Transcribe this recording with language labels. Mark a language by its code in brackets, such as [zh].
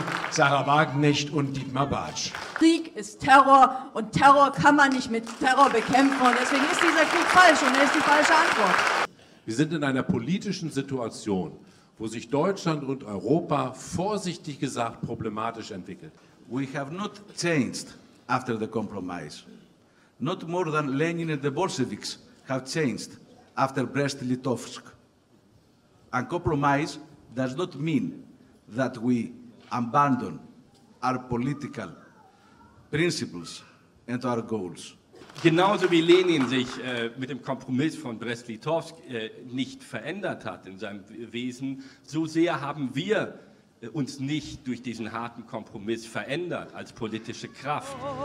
[de] Sarah Wagenknecht und Dietmar Bartsch. Krieg ist Terror und Terror kann man nicht mit Terror bekämpfen. Und deswegen ist dieser Krieg falsch und er ist die falsche Antwort. Wir sind in einer politischen Situation, wo sich Deutschland und Europa vorsichtig gesagt problematisch entwickelt. [en] We have not changed after the compromise. Not more than Lenin and the Bolsheviks have changed after Brest-Litovsk. A compromise does not mean that we abandon our political principles and our goals. [de] Genauso wie Lenin sich mit dem Kompromiss von Brest-Litovsk nicht verändert hat in seinem Wesen, so sehr haben wir uns nicht durch diesen harten Kompromiss verändert als politische Kraft.